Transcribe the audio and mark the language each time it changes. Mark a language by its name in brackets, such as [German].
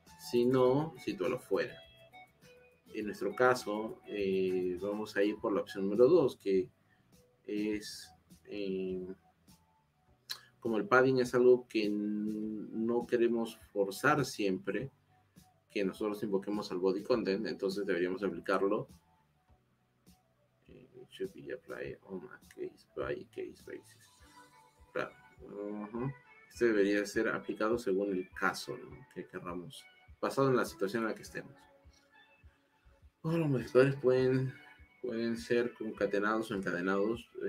[Spanish] Si no, sitúalo fuera. En nuestro caso, vamos a ir por la opción número 2, que es... como el padding es algo que no queremos forzar siempre que nosotros invoquemos al body content, entonces deberíamos aplicarlo. [English] It should be applied on a case by case basis. [Spanish] Claro. Uh-huh. Este debería ser aplicado según el caso, ¿no?, que querramos, basado en la situación en la que estemos. Todos los modificadores pueden ser concatenados o encadenados.